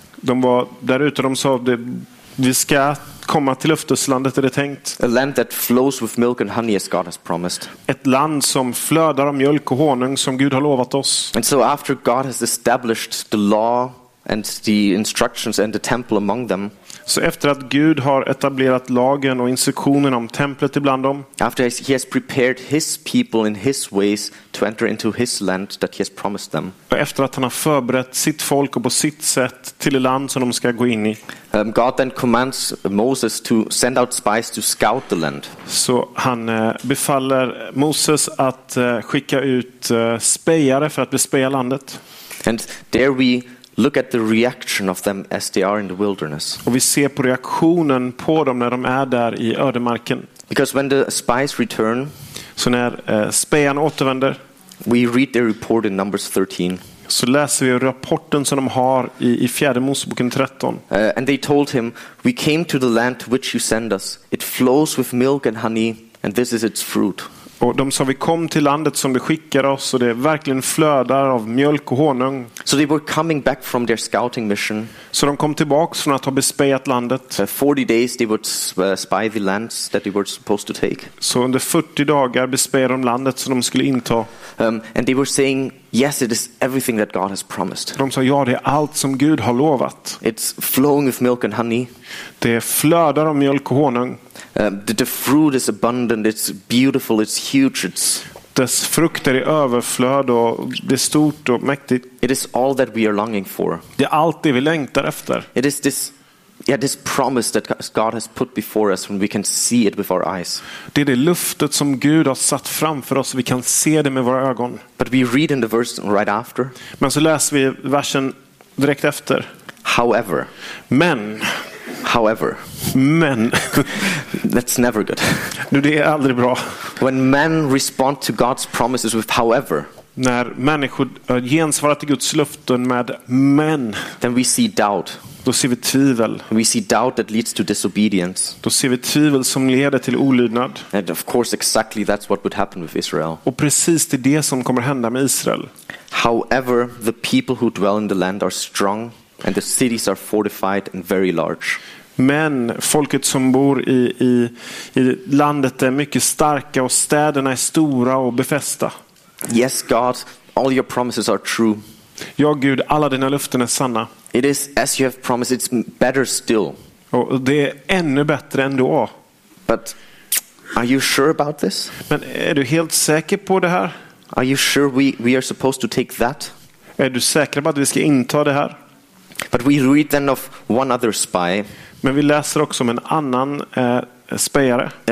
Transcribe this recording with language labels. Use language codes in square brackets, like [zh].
[sv] De var där ute, de sa att vi ska komma till löfteslandet, är det tänkt. [en] A land that flows with milk and honey, as God has promised. [sv] Ett land som flödar av mjölk och honung, som Gud har lovat oss. [en] And so after God has established the law and the instructions and the temple among them. [sv] Så efter att Gud har etablerat lagen och instruktionen om templet ibland dem. [en] After he has prepared his people in his ways to enter into his land that he has promised them. [sv] Och efter att han har förberett sitt folk och på sitt sätt till det land som de ska gå in i. [en] God then commands Moses to send out spies to scout the land. [sv] Så han befaller Moses att skicka ut spejare för att bespeja landet. [en] And there we look at the reaction of them as they are in the wilderness. [sv] Och vi ser på reaktionen på dem när de är där i ödemarken. [en] Because when the spies return, [sv] så när spejarna återvänder, [en] we read their report in Numbers 13. [sv] Så läser vi rapporten som de har i fjärde Moseboken 13. [en] And they told him, we came to the land to which you send us. It flows with milk and honey, and this is its fruit. [sv] Och de sa, vi kom till landet som du skickar oss, och det verkligen flödar av mjölk och honung. [en] So they were coming back from their scouting mission. [sv] Så de kom tillbaka från att ha bespejat landet. [en] 40 days they would spy the lands that they were supposed to take. [sv] Så under 40 dagar bespejade de landet som de skulle inta. [en] And they were saying, yes, it is everything that God has promised. [sv] De sa, ja, det är allt som Gud har lovat. [en] It's flowing with milk and honey. [sv] Det flödar av mjölk och honung. [en] The fruit is abundant, it's beautiful, it's huge. [sv] Dess frukter är överflöd och det är stort och mäktigt. [en] It is all that we are longing for. [sv] Det är allt det vi längtar efter. [en] It is this promise that God has put before us when we can see it with our eyes. [sv] Det är det löftet som Gud har satt framför oss, vi kan se det med våra ögon. [en] But we read in the verse right after. [sv] Men så läser vi versen direkt efter. [en] However. [sv] Men. [en] However. [sv] Men. [en] That's never good. [sv] Nu, det är aldrig bra. [en] When men respond to God's promises with however. [sv] När människor gensvarar till Guds löften med men. [en] Then we see doubt. [sv] Då ser vi tvivel. [en] We see doubt that leads to disobedience. [sv] Då ser vi tvivel som leder till olydnad. [en] And of course exactly that's what would happen with Israel. [sv] Och precis det är det som kommer hända med Israel. [en] However, the people who dwell in the land are strong. And the cities are fortified and very large. [sv] Men folket som bor i landet är mycket starka och städerna är stora och befästa. [en] Yes, God, all your promises are true. [sv] Ja, Gud, alla dina löften är sanna. [en] It is as you have promised, it's better still. [sv] Och det är ännu bättre ändå. [en] But are you sure about this? [sv] Men är du helt säker på det här? [en] Are you sure we are supposed to take that? [sv] Är du säker på att vi ska inta det här? [en] But we read then of one other spy. [sv] Men vi läser också om en annan spejare.